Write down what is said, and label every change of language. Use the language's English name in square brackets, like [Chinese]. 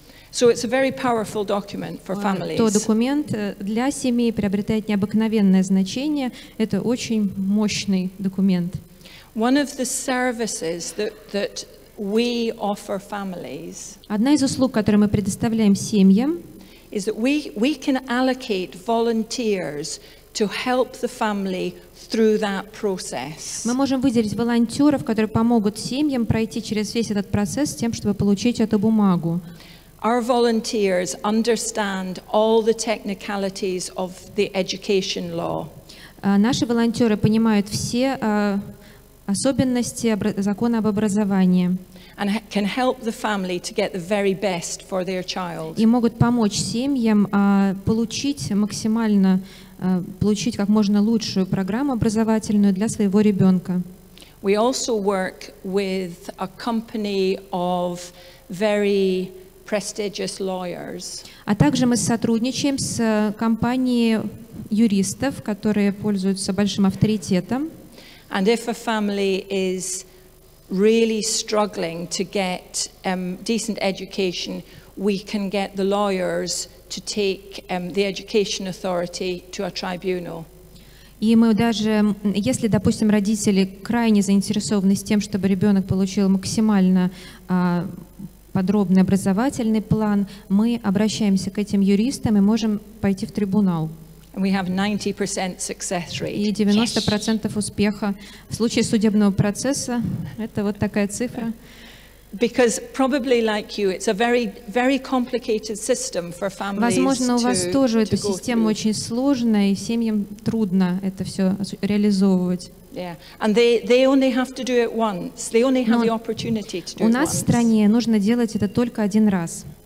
[English] so it's a very powerful document for families. [Russian] То документ для семьи приобретает необыкновенное значение. Это очень мощный документ. [English] One of the services that we offer families. [Russian] Одна из услуг, которые мы предоставляем семьям, [English] is that we can allocate volunteers to help the family through that process. [Russian] Мы можем выделить волонтеров, которые помогут семьям пройти через весь этот процесс, тем чтобы получить эту бумагу. [English] Our volunteers understand all the technicalities of the education law. [Russian] Наши волонтеры понимают все особенности закона об образовании. [English] And can help the family to get the very best for their child. [Russian] И могут помочь семьям получить максимально получить как можно лучшую программу образовательную для своего ребенка. [English] We also work with a company of very prestigious lawyers. [Russian] А также мы сотрудничаем с компанией юристов, которые пользуются большим авторитетом. [English] And if a family is really struggling to get decent education, we can get the lawyers to take the education authority to a tribunal. [Russian] И мы даже, если, допустим, родители крайне заинтересованы с тем, чтобы ребенок получил максимально подробный образовательный план, мы обращаемся к этим юристам и можем пойти в трибунал. [English] And we have 90% success rate. [Russian] И 90% успеха в случае судебного процесса. Это вот такая цифра. [English] Because probably like you, it's a very, very complicated system for families. [Russian] Возможно, у вас тоже эта система очень сложная, и семьям трудно это все реализовывать. [English] Yeah, and they only have to do it once. They only have the opportunity to do it once. [Russian] У нас в стране нужно делать это только один раз.